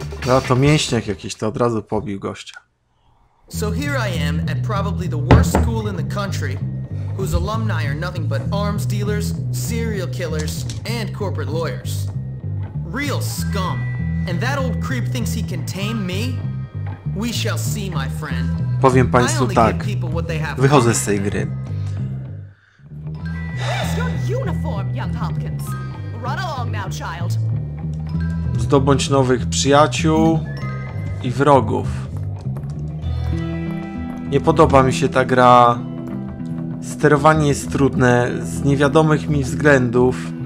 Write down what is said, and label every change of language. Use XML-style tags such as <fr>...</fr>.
<pl>A to mięśniak jakiś, to od razu pobił gościa.</pl> <en>So here I am at probably the worst school in the country, whose alumni are nothing but arms dealers, serial killers, and corporate lawyers. Real scum. And that old creep thinks he can tame me? We shall see, my friend.</en> <pl>Powiem państwu tak. Wychodzę z tej gry.</pl> <en>Where's your uniform, young Hopkins? Run along now, child.</en> <pl>Zdobądź nowych przyjaciół i wrogów. Nie podoba mi się ta gra. Sterowanie jest trudne z niewiadomych mi względów.</pl>